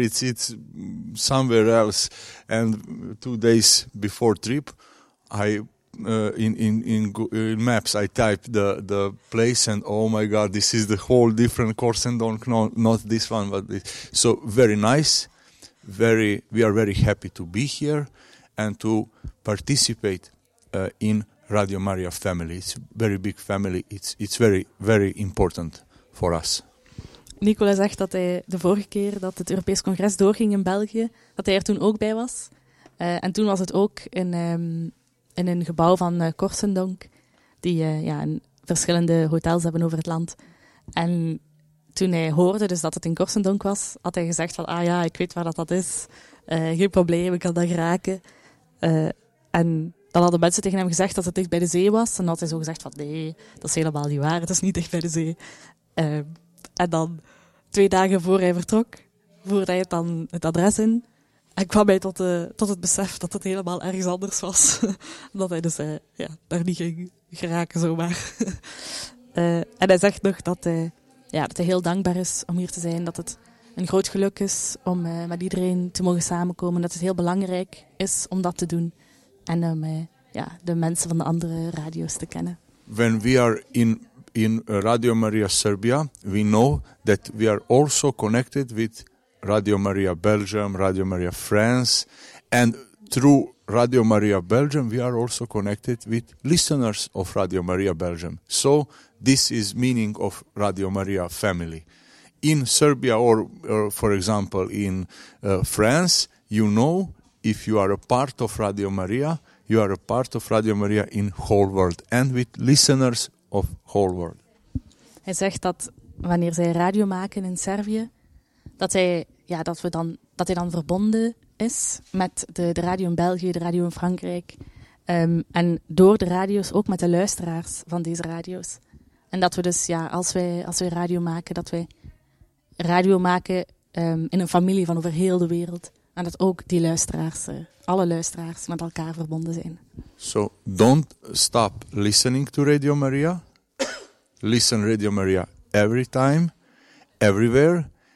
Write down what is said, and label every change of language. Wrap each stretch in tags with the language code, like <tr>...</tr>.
<en>It's somewhere else. And 2 days before trip, I in maps I typed the place, and oh my God, this is the whole different Korsendonk, not this one, but this. So very nice. We are very happy to be here and to participate in Radio Maria family. It's a very big family. It's very, very important for us.</en> <nl>Nicola zegt dat hij de vorige keer dat het Europees Congres doorging in België, dat hij er toen ook bij was. En toen was het ook in een gebouw van Korsendonk, die in verschillende hotels hebben over het land. En toen hij hoorde dus dat het in Korsendonk was, had hij gezegd van, ik weet waar dat is. Geen probleem, ik kan dat geraken. En dan hadden mensen tegen hem gezegd dat het dicht bij de zee was. En had hij zo gezegd van, nee, dat is helemaal niet waar, het is niet dicht bij de zee. En dan 2 dagen voor hij vertrok, voerde hij het adres in. En kwam hij tot het besef dat het helemaal ergens anders was. Dat hij dus daar niet ging geraken zomaar. En hij zegt nog dat hij heel dankbaar is om hier te zijn. Dat het een groot geluk is om met iedereen te mogen samenkomen. Dat het heel belangrijk is om dat te doen. En om de mensen van de andere radio's te kennen.</nl> <en>When we are in Radio Maria Serbia, we know that we are also connected with Radio Maria Belgium, Radio Maria France, and through Radio Maria Belgium, we are also connected with listeners of Radio Maria Belgium. So this is meaning of Radio Maria family. In Serbia or for example, in France, you know, if you are a part of Radio Maria, you are a part of Radio Maria in whole world and with listeners of whole world.</en> <nl>Hij zegt dat wanneer zij radio maken in Servië, dat hij dan verbonden is met de radio in België, de radio in Frankrijk. En door de radio's ook met de luisteraars van deze radio's. En dat we dus, als wij radio maken, dat wij radio maken in een familie van over heel de wereld. En dat ook die luisteraars, alle luisteraars, met elkaar verbonden zijn.</nl> <en>So, don't stop listening to Radio Maria. Listen Radio Maria every time, everywhere.</en>